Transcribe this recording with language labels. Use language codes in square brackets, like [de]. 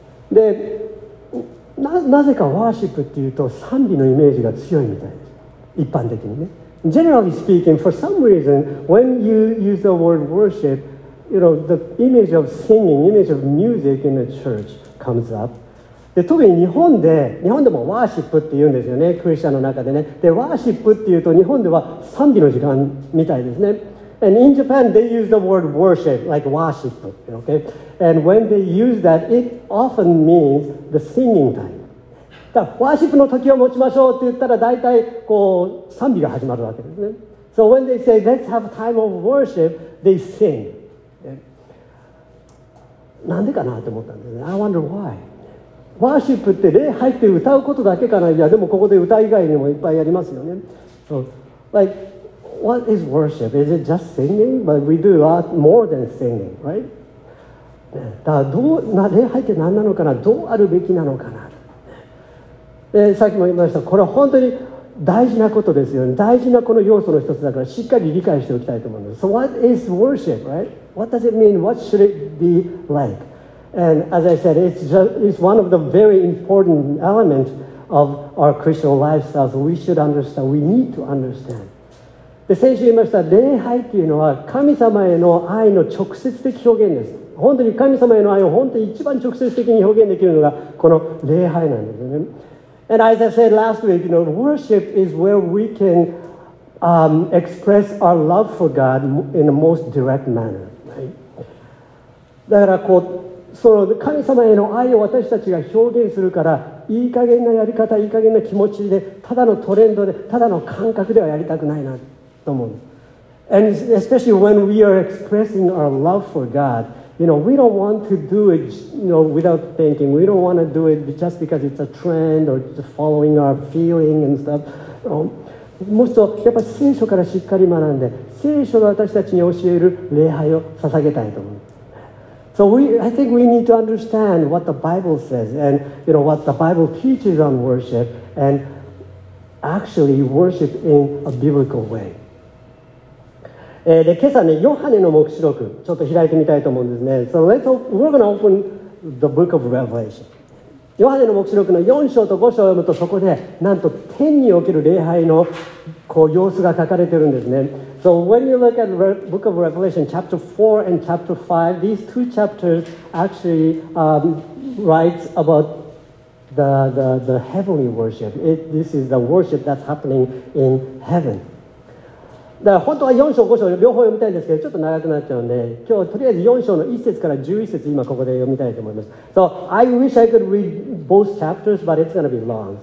[ja] で、なぜかワーシップっていうと賛美のイメージが強いみたいです。一般的にね。 [en] Generally speaking, for some reason, when you use the word worship, you know, the image of singing, image of music in a church comes up. [ja] で特に日本でもワーシップって言うんですよね、クリスチャンの中でね。で、ワーシップっていうと日本では賛美の時間みたいですね。 [en] And in Japan, they use the word worship, like worship, okay? And when they use that, it often means the singing time. [ja] だからワーシップの時を持ちましょうって言ったら大体こう賛美が始まるわけですね。 [en] So when they say, let's have time of worship, they sing. [ja] なんでかなって思ったんですね。 [en] I wonder why. [ja] ワーシップって礼拝って歌うことだけかな。いやでもここで歌以外にもいっぱいやりますよね。 [en] So, like, what is worship? Is it just singing? But we do a lot more than singing, right? [ja] だからどうな礼拝って何なのかな、どうあるべきなのかな。でさっきも言いました、これは本当に大事なことですよね。大事なこの要素の一つだからしっかり理解しておきたいと思うんです。 [en] So what is worship, right? What does it mean? What should it be like? And as I said, it's one of the very important elements of our Christian lifestyle. So we should understand. We need to understand. [ja] で、先週言いました。礼拝っていうのは神様への愛の直接的表現です。本当に神様への愛を本当に一番直接的に表現できるのがこの礼拝なんですね。 [en] And as I said last week, you know, worship is where we can, express our love for God in the most direct manner. Right? [ja] だからこう、その神様への愛を私たちが表現するから、いい加減なやり方、いい加減な気持ちで、ただのトレンドで、ただの感覚ではやりたくないなと思う。 [en] And especially when we are expressing our love for God, you know, we don't want to do it, you know, without thinking. We don't want to do it just because it's a trend or just following our feeling and stuff. [ja] もっとやっぱり聖書からしっかり学んで、聖書が私たちに教える礼拝を捧げたいと思う。 [en] So we, I think we need to understand what the Bible says and you know, what the Bible teaches on worship and actually worship in a biblical way. [ja] で、今朝ね、ヨハネの黙示録ちょっと開いてみたいと思うんですね。 [en] So we're going to open the book of Revelation. [ja] ヨハネの黙示録の4章と5章を読むとそこでなんと天における礼拝のこう様子が書かれてるんですね。 [en] So when you look at the book of Revelation, chapter 4 and chapter 5, these two chapters actually, write about the heavenly worship. This is the worship that's happening in heaven. [ja] だから本当は4章5章両方読みたいんですけど、ちょっと長くなっちゃうんで、今日とりあえず4章の1節から11節今ここで読みたいと思います。 [en] So I wish I could read both chapters, but it's going to be long.